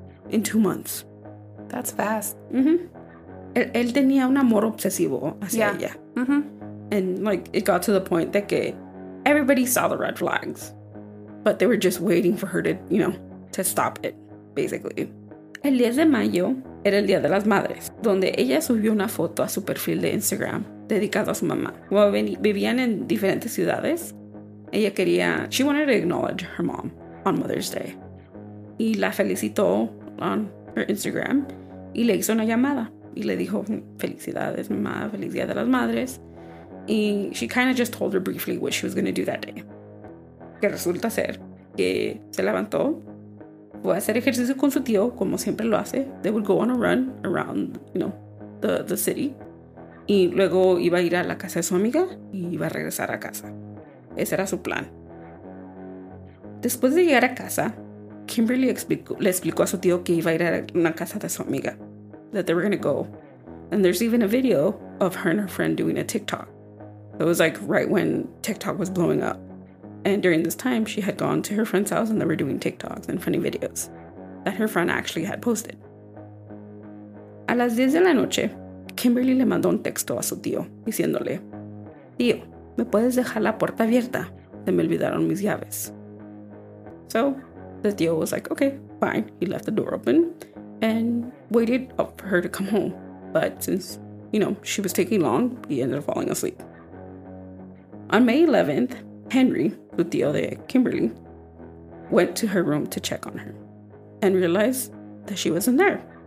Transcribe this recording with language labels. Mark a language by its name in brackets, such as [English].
[English] In 2 months. That's fast. [Spanish] Mm-hmm. Él tenía un amor obsesivo hacia ella. Mm-hmm. [English] And, like, it got to the point that everybody saw the red flags. But they were just waiting for her to stop it, basically. [Spanish] El 10 de mayo era el Día de las Madres, donde ella subió una foto a su perfil de Instagram dedicado a su mamá. Como vivían en diferentes ciudades, ella quería... [English] She wanted to acknowledge her mom on Mother's Day. [Spanish] Y la felicitó [English] on her Instagram [Spanish] y le hizo una llamada. Y le dijo, felicidades, mamá, feliz Día de las Madres. [English] Y she kind of just told her briefly what she was going to do that day. [Spanish] Que resulta ser que se levantó, fue a hacer ejercicio con su tío, como siempre lo hace. [English] They would go on a run around, the city. [Spanish] Y luego iba a ir a la casa de su amiga y iba a regresar a casa. Ese era su plan. Después de llegar a casa, Kimberly le explicó a su tío que iba a ir a la casa de su amiga. [English] That they were going to go. And there's even a video of her and her friend doing a TikTok. It was like right when TikTok was blowing up. And during this time, she had gone to her friend's house and they were doing TikToks and funny videos that her friend actually had posted. [Spanish] A las 10 de la noche, Kimberly le mandó un texto a su tío, diciéndole, tío, ¿me puedes dejar la puerta abierta? Se me olvidaron mis llaves. [English] So, the tío was like, okay, fine. He left the door open and waited up for her to come home. But since, she was taking long, he ended up falling asleep. On May 11th, Henry, [Spanish] su tío de Kimberly, [English] went to her room to check on her and realized that she wasn't there.